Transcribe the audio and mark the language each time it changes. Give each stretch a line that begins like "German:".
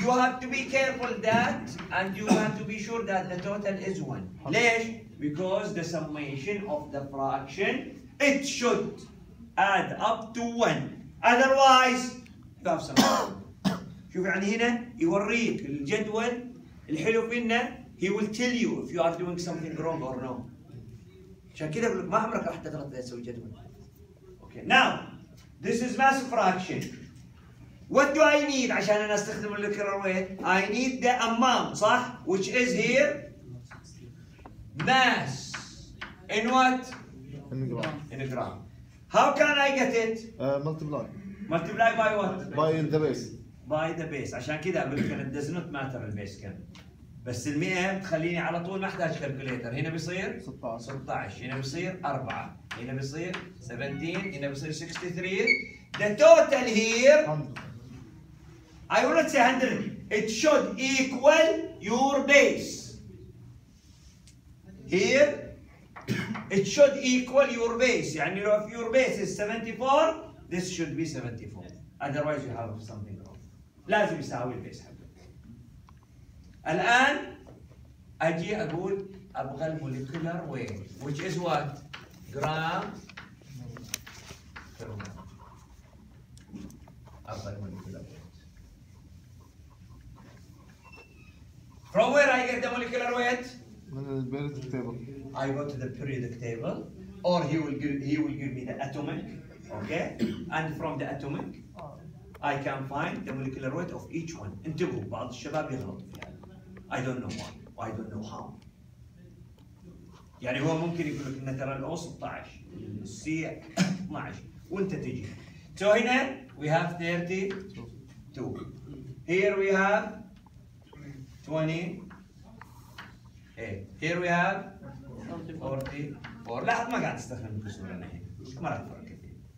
English: You have to be careful that and you have to be sure that the total is 1.
Arabic: ليش؟
English: Because the summation of the fraction it should add up to 1. Otherwise you have some.
Arabic: شوف يعني هنا يوريك الجدول الحلو منه.
English: He will tell you if you are doing something wrong or no.
Arabic: عشان كده بقول لك ما عمرك راح تغلط إذا سويت جدول.
English: Now, this is mass fraction. What do I need?
Arabic: عشان أنا أستخدم الكرر ويت.
English: I need the amount,
Arabic: صح?
English: Which is here? Mass. In what? In a gram. In a gram. How can I get it? Multiply. Multiply by what? By the base. By the base.
Arabic: عشان كده أقول لك
English: it does not matter the base كم.
Arabic: بس المئة تخليني على طول ما أحتاج كالكوليتر. هنا بيصير 16. هنا بيصير 4. هنا بيصير 17. هنا بيصير 63.
English: The total here 100. I will not say 100. It should equal your base. Here it should equal your base.
Arabic: يعني لو
English: if your base is 74, this should be 74. Otherwise you have something wrong.
Arabic: لازم يساوي البيس. الآن أجي أقول أبغى الموليكولر وين
English: which is what gram per mole.
Arabic: أبغى الموليكولر ويت.
English: From where I get the molecular weight?
Arabic: من البيريودك تيبل.
English: I go to the periodic table or he will give me the atomic, okay, and from the atomic I can find the molecular weight of each one.
Arabic: انتبهوا بعض الشباب يغلط فيها.
English: I don't know why. I don't know how.
Arabic: يعني هو ممكن يقول لك إن ترى الـ O 16 الـ C 12 وانت تجي.
English: So
Arabic: هنا
English: we have 32. Here we have 28. Here we have 40. 4.
Arabic: لا ما قاعد استخدم الكسور هنا هيك ما راح تفرق كثير.